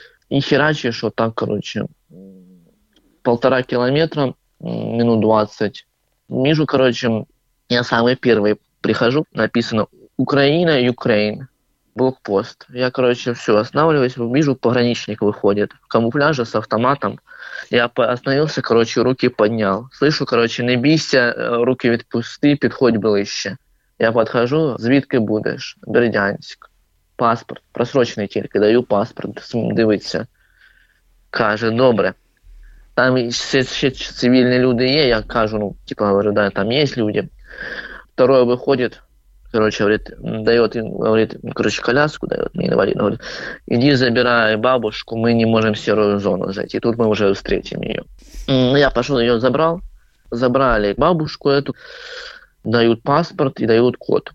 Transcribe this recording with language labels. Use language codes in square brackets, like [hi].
[ru] И херачишь вот так, короче, 1,5 километра, минут 20. Вижу, короче, я самый первый прихожу, написано «Украина, Украина». Блокпост. Я, короче, все, останавливаюсь, вижу, пограничник выходит в камуфляже с автоматом. Я остановился, короче, руки поднял. Слышу, короче, [uk] не бійся, [ru] руки ведь пусты, [uk] підходь ближче. [ru] Я подхожу, [uk] звідки будешь? [ru] Бердянськ. Паспорт. Просроченный [uk] тільки, [ru] даю паспорт, [uk] дивиться. Каже, добре. Там ще цивільні люди є, я кажу, ну, типа, [ru] говорю, да, [uk] там є люди. [ru] Второе виходить, короче, говорит, короче, коляску дает мне инвалид, говорит, иди забирай бабушку, мы не можем в серую зону зайти, тут мы уже встретим ее. Я пошел, ее забрал, забрали бабушку эту, дают паспорт и дают код.